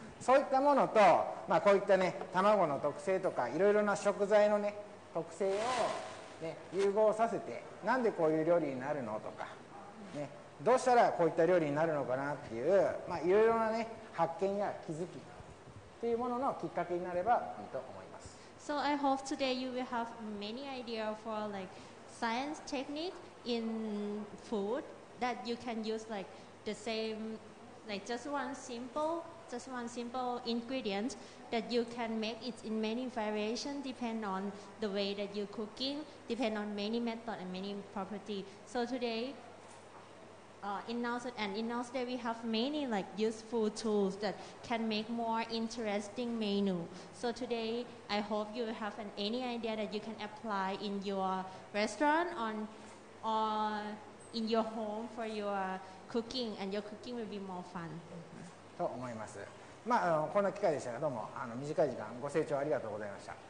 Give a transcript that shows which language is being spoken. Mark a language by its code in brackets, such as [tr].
[ja] そういったものと、まあ、こういったね、卵の特性とか、いろいろな食材のね、特性を、ね、融合させて、なんでこういう料理になるのとか、ね、どうしたらこういった料理になるのかなっていう、まあ、いろいろな、ね、発見や気づきっていうもののきっかけになればいいと思います。 [en] So I hope today you will have many ideas for like science technique in food that you can use like the same, like just one simple ingredient that you can make it in many variations depend on the way that you cooking, depend on many method and many property. So today,In-house, we have many like useful tools that can make more interesting menu. So today, I hope you have any idea that you can apply in your restaurant or in your home for your cooking, and your cooking will be more fun. [ja] と思います。まあ、この機会でしたが、どうも短い時間ご清聴ありがとうございました。